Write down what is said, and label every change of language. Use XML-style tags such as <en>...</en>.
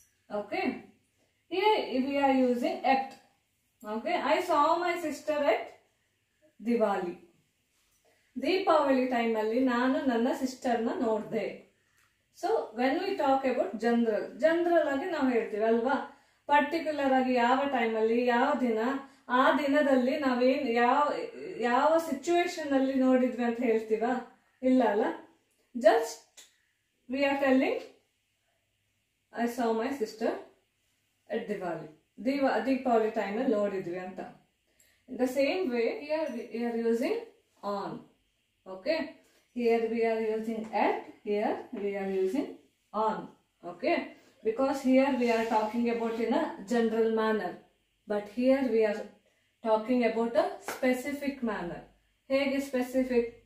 <en>Okay, here we are using at. Okay, I saw my sister at Diwali.</en> <kn>Deepavali ಟೈಮಲ್ಲಿ ನಾನು ನನ್ನ ಸಿಸ್ಟರ್ನ ನೋಡಿದೆ.</kn> <en>so when we talk about</en> <kn>general ಆಗಿ ನಾವು ಹೇಳ್ತೀವಿ ಅಲ್ವಾ, ಪರ್ಟಿಕ್ಯುಲರ್ ಆಗಿ ಯಾವ ಟೈಮಲ್ಲಿ ಯಾವ ದಿನ ಆ ದಿನದಲ್ಲಿ ನಾವೇನು ಯಾವ ಸಿಚುವೇಶನ್ ಅಲ್ಲಿ ನೋಡಿದ್ವಿ ಅಂತ ಹೇಳ್ತೀವ ಇಲ್ಲ ಅಲ್ಲ.</kn> <en>just we are telling I saw my sister at Deepavali</en> <kn>ಟೈಮಲ್ಲಿ ನೋಡಿದ್ವಿ ಅಂತ.</kn> <en>The same way you are using on. Okay, here we are using at, here we are using on. Okay, because here we are talking about in a general manner, but here we are talking about a specific manner.</en> <kn>Hege</kn> <en>specific?</en>